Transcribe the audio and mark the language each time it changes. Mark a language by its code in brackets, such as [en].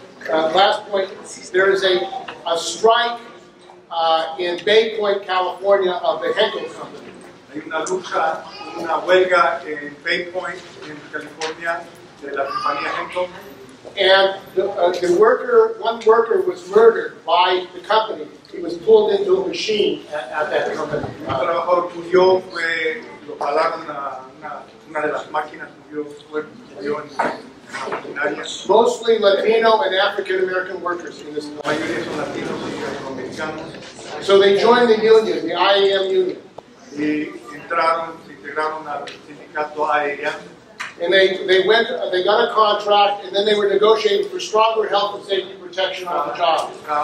[en] Last point, there is a strike in Bay Point, California of the Henkel Company. [es] Hay una lucha, una huelga en Bay Point, [en] in California, [es] de la compañía Henkel. [en] And one worker was murdered by the company. He was pulled into a machine at that company. [es] Un trabajador murió, fue lo jalaron a una de las máquinas, murió en maquinaria. [en] Mostly Latino and African American workers in this [es] company. Mayoría son latinos y afroamericanos. [en] So they joined the union, the IAM union. [es] Y entraron, se integraron al sindicato IAM. [en] And they went, they got a contract, and then they were negotiating for stronger health and safety protection on the job.